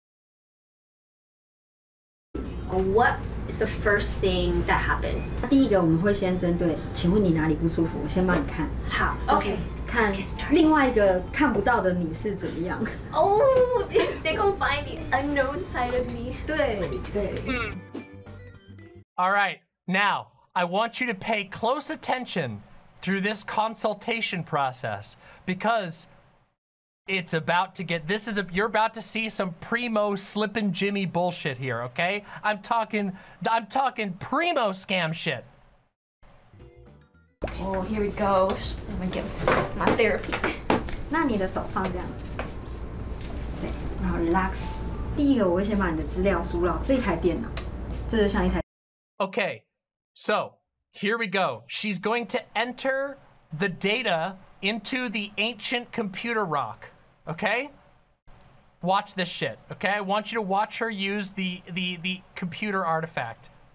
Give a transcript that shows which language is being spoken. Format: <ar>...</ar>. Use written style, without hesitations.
<zh>我们有一些客人，他说这个会把一些不好的气就拿掉，好像一个抽风机咻冲掉。如果刀疗这个人的身体很冷，对，就说他体质很冷，刀下去我们刀子会像冰箱拿出来一样这么冰。</zh> <en>What is the first thing that happens？</en> <zh>第一个我们会先针对，请问你哪里不舒服，我先帮你看。好</zh> <en>，OK。</en> <zh>看另外一个看不到的你是怎么样？</zh> <en>Oh, they can find the unknown side of me.</en> <zh>对对。</zh> <en>All right, now I want you to pay close attention through this consultation process because it's about to get. This is a, you're about to see some primo slippin' Jimmy bullshit here. Okay, I'm talking primo scam shit. Oh, here we go. I'm gonna get my therapy.</en> <zh>那你的手放这样子，对，然后 relax. 第一个，我会先把你的资料输入这台电脑，这就像一台。</zh> <en>Okay, so Here we go. She's going to enter the data into the ancient computer rock, okay? Watch this shit, okay? I want you to watch her use the computer artifact.</en>